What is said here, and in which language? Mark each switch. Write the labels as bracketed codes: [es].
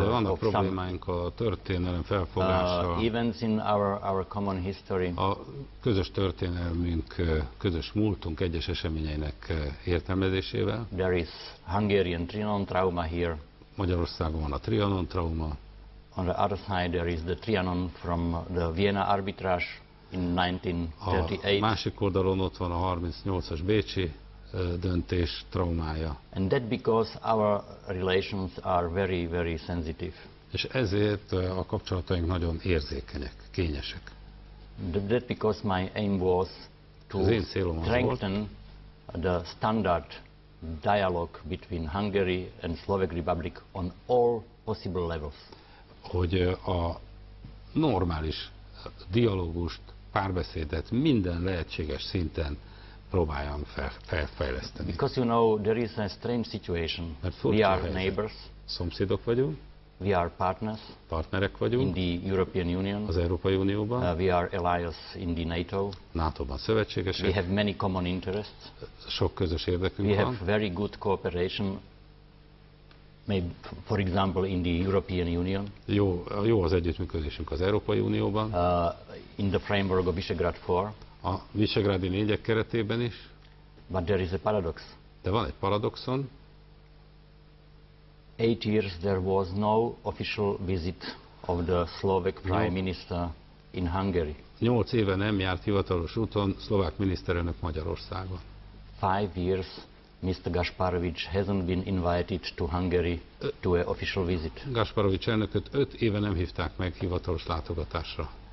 [hu] of some problémáink a történelem felfogással. [en] Events in our common history. [hu] A közös történelmünk, közös múltunk egyes eseményeinek értelmezésével. [en] There is Hungarian Trianon trauma here. [hu] Magyarországon van a Trianon trauma. [en] On the other side there is the Trianon from the Vienna arbitrage in 1938. [hu] A másik oldalon ott van a 38-as bécsi döntés traumája. [en] And that because our relations are very very sensitive. [hu] És ezért a kapcsolataink nagyon érzékenyek, kényesek. [en] That because my aim was to strengthen the standard dialogue between Hungary and Slovak Republic on all possible levels. [hu] Hogy a normális dialógust, párbeszédet minden lehetséges szinten próbáljam felfejleszteni. [en] Because you know there is a strange situation. We are neighbors. [hu] Szomszédok vagyunk. [en] We are partners. [hu] Partnerek vagyunk. [en] In the European Union. [hu] Az Európai Unióban. [en] We are allies in the NATO. [hu] NATO-ban szövetségesek. [en] We have many common interests. [hu] Sok közös érdekünk [en] we [hu] van. [en] We have very good cooperation. Maybe for example in the European Union. [hu] Jó az együttműködésünk az Európai Unióban. [en] In the framework of Visegrad 4. [hu] A visegrádi négyek keretében is. [en] But there is a paradox. [hu] De van egy paradoxon. [en] 8 years there was no official visit of the Slovak prime minister in Hungary. [hu] 8 éve nem járt hivatalos úton szlovák miniszterelnök Magyarországon. [en] 5 years Mr. Gasparovics hasn't been invited to Hungary to an official visit. [hu] Gasparovics elnököt 5 éve nem hívták meg hivatalos látogatásra.